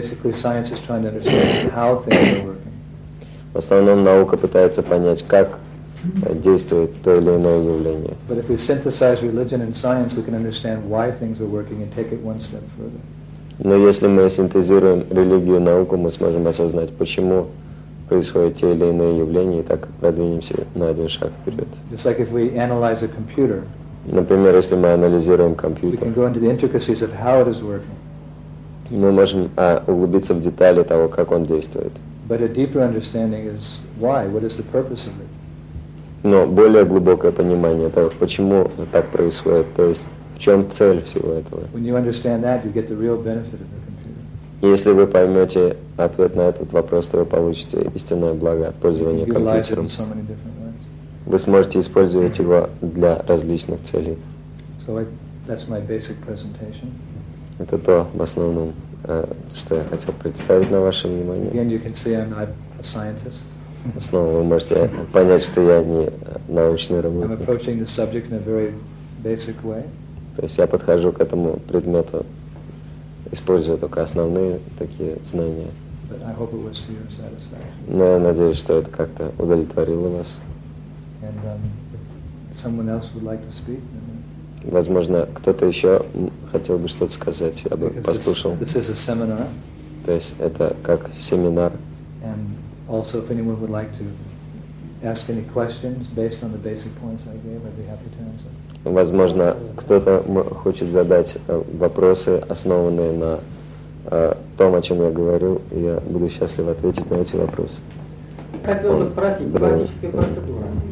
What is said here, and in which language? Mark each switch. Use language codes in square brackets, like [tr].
[en] Basically, science is trying to understand how things are working. [ru] В основном, наука пытается понять, как действует то или иное явление. [en] But if we synthesize religion and science, we can understand why things are working and take it one step further. [ru] Но если мы синтезируем религию и науку, мы сможем осознать, почему происходят те или иные явления, и так продвинемся на один шаг вперед. [en] Just like if we analyze a computer. [ru] Например, если мы анализируем компьютер. [en] We can go into the intricacies of how it is working. [ru] Мы можем углубиться в детали того, как он действует. [en] But a deeper understanding is why, what is the purpose of it? [ru] Но более глубокое понимание того, почему так происходит, то есть в чем цель всего этого. [en] When you understand that, you get the real benefit of the computer. [ru] Если вы поймете ответ на этот вопрос, то вы получите истинное благо от пользования компьютером. [en] You can utilize it in so many different ways. [ru] Вы сможете использовать его для различных целей. [en] So that's my basic presentation. [ru] Это то, в основном, что я хотел представить на ваше внимание. [en] Again, you can see I'm not a scientist. [ru] Снова вы можете понять, что я не научный работник. [en] I'm approaching the subject in a very basic way. [ru] То есть я подхожу к этому предмету, используя только основные такие знания. [en] But I hope it was to your satisfaction. [ru] Но я надеюсь, что это как-то удовлетворило вас. [en] And, if someone else would like to speak, then... [ru] Возможно, кто-то еще хотел бы что-то сказать, я бы [en] Because [ru] послушал. [en] This is a seminar. [ru] То есть это как семинар. [en] And also, if anyone would like to ask any questions based on the basic points I gave, I'd be happy to answer. [ru] Возможно, кто-то хочет задать вопросы, основанные на том, о чем я говорил, и я буду счастлив ответить на эти вопросы. Хотел бы спросить, бионическая процедура.